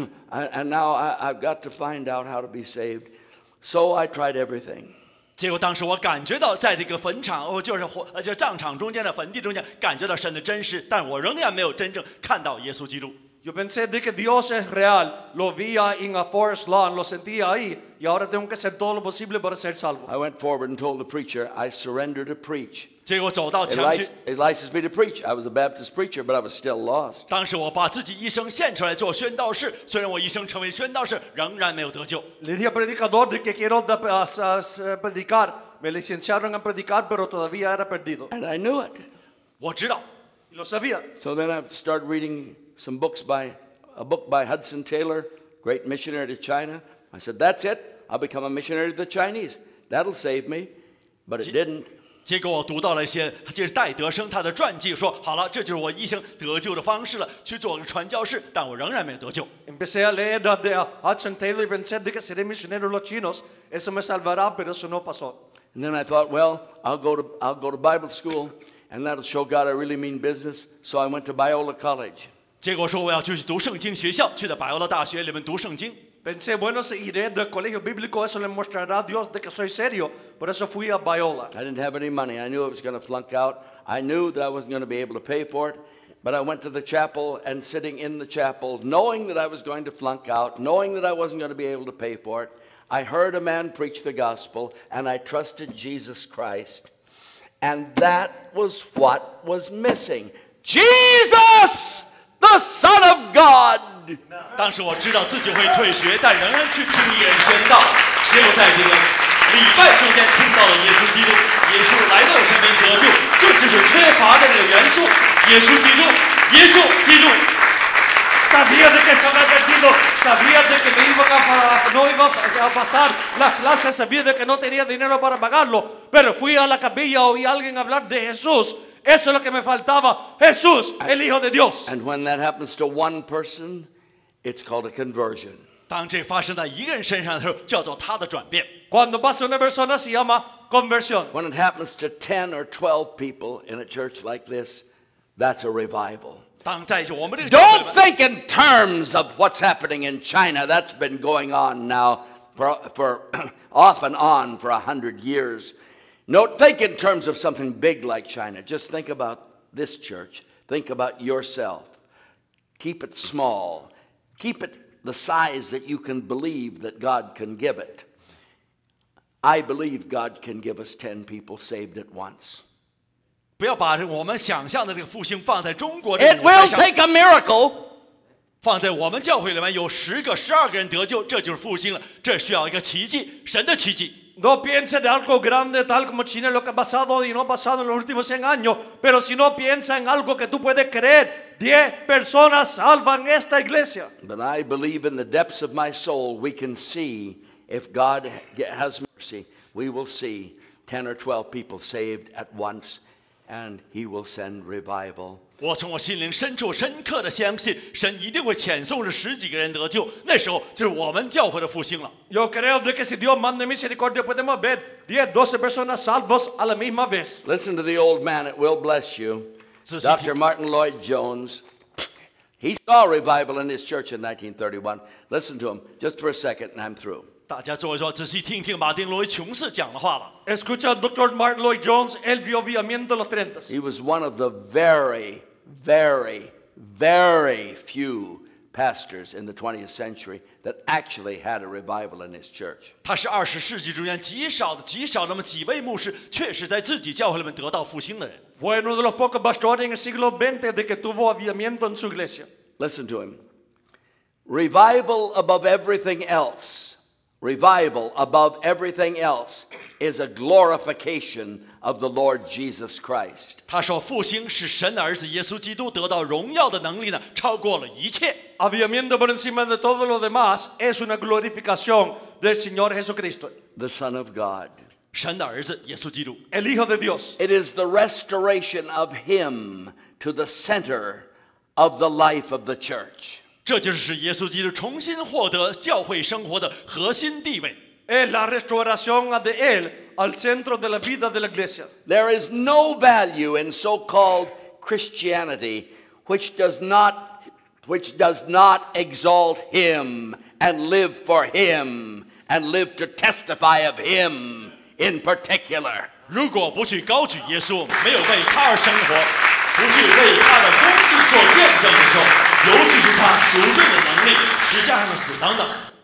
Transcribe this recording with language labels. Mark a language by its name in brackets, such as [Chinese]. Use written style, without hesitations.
[English] And now I've got to find out how to be saved. So I tried everything. [Chinese] 结果当时我感觉到在这个坟场、哦、就是火、就是、葬场中间的坟地中间感觉到神的真实，但我仍然没有真正看到耶稣基督。 [Spanish] Yo pensé de que Dios es real. Lo vi en a forest lawn. Lo sentí ahí. Y ahora tengo que hacer todo lo posible para ser salvo. [English] I went forward and told the preacher, I surrender to preach. [Chinese] 结果走到墙去。 [English] It licensed me to preach. I was a Baptist preacher, but I was still lost. [Chinese] 当时我把自己一生献出来做宣道士，虽然我一生成为宣道士，仍然没有得救。 [Spanish] Le dije al predicador de que quiero predicar. Me licenciaron a predicar, pero todavía era perdido. [English] And I knew it. [Chinese] 我知道。 [Spanish] Lo sabía. [English] So then I started reading. Some books by a book by Hudson Taylor, great missionary to China. I said, "That's it. I'll become a missionary to the Chinese. That'll save me." But it didn't. [Chinese] 结果我读到了一些，就是戴德生他的传记，说好了，这就是我一生得救的方式了，去做个传教士，但我仍然没有得救。 [Spanish] Empecé a leer de Hudson Taylor y pensé que seré misionero a los chinos. Eso me salvará, pero eso no pasó. [English] And then I thought, well, I'll go to Bible school, and that'll show God I really mean business. So I went to Biola College. [Chinese] 结果说我要去读圣经学校，去的百欧的大学里面读圣经。 [Spanish] Pensé bueno si iré del colegio bíblico eso le mostrará a Dios de que soy serio, por eso fui a Biola. [English] I didn't have any money. I knew I was going to flunk out. I knew that I wasn't going to be able to pay for it. But I went to the chapel and sitting in the chapel, knowing that I was going to flunk out, knowing that I wasn't going to be able to pay for it, I heard a man preach the gospel and I trusted Jesus Christ, and that was what was missing. Jesus. The Son of God. [Chinese] 当时我知道自己会退学，但仍然去听演宣道。结果在这个礼拜中间听到了耶稣基督，耶稣来到我身边得救，这就是缺乏的那个元素。耶稣基督，耶稣基督。 [Spanish] Sabía de que estaba perdido. Sabía de que no iba a pasar las clases. Sabía de que no tenía dinero para pagarlo. Pero fui a la capilla, oí a alguien hablar de Jesús. Eso es lo que me faltaba, Jesús, el Hijo de Dios. [English] And when that happens to one person, It's called a conversion. [Chinese] 当这发生在一个人身上的时候，叫做他的转变。 [Spanish] Cuando pasa una persona se llama conversión. [English] When it happens to 10 or 12 people in a church like this, that's a revival. [Chinese] 当在我们这个 [English] Don't think in terms of what's happening in China. That's been going on now for off and on for 100 years. No, think in terms of something big like China. Just think about this church. Think about yourself. Keep it small. Keep it the size that you can believe that God can give it. I believe God can give us 10 people saved at once. [Chinese] 不要把我们想象的这个复兴放在中国。 [English] It will take a miracle. [Chinese] 放在我们教会里面有十个、十二个人得救，这就是复兴了。这需要一个奇迹，神的奇迹。 [Spanish] No piense de algo grande tal como China lo que ha pasado y no ha pasado en los últimos 100 años, pero si no piensa en algo que tú puedes creer, 10 personas salvan esta iglesia. [English] But I believe in the depths of my soul we can see, if God has mercy, we will see 10 or 12 people saved at once, and he will send revival. [Chinese] 我从我心灵深处深刻的相信，神一定会遣送着十几个人得救，那时候就是我们教会的复兴了。 [Spanish] Yo creo de que si Dios manda misericordia podemos ver 10, 12 personas salvos a la misma vez. [English] Listen to the old man, it will bless you. Dr. Martin Lloyd-Jones, he saw revival in his church in 1931. Listen to him, just for a second, and I'm through. [Chinese] 大家坐一坐，仔细听听马丁·罗伊·琼斯讲的话吧。 [Spanish] Escucha, Dr. Martin Lloyd-Jones, él vio avivamiento en los 30. [English] He was one of the very, very, very few pastors in the 20th century that actually had a revival in his church. [Chinese] 他是二十世纪中间极少的、极少那么几位牧师，确实在自己教会里面得到复兴的人。 [Spanish] Fue uno de los pocos pastores en el siglo XX de que tuvo avivamiento en su iglesia. [English] Listen to him. Revival above everything else. Revival above everything else is a glorification of the Lord Jesus Christ. [Chinese] 他说复兴是神的儿子耶稣基督得到荣耀的能力呢，超过了一切。 [Spanish] Avivamiento por encima de todo lo demás es una glorificación del Señor Jesucristo. [English] The Son of God. [Chinese] 神的儿子耶稣基督。 [Spanish] El Hijo de Dios. [English] It is the restoration of him to the center of the life of the church. [Chinese] 这就是耶稣基督重新获得教会生活的核心地位。 [Spanish] Es la restauración de él al centro de la vida de la iglesia. [English] There is no value in so-called Christianity which does not exalt him and live for him and live to testify of him in particular. [Chinese] 如果不去高举耶稣，没有为他而生活，不去为他的功绩做见证的时候，尤其是他赎罪的能力、十字架上的死等等。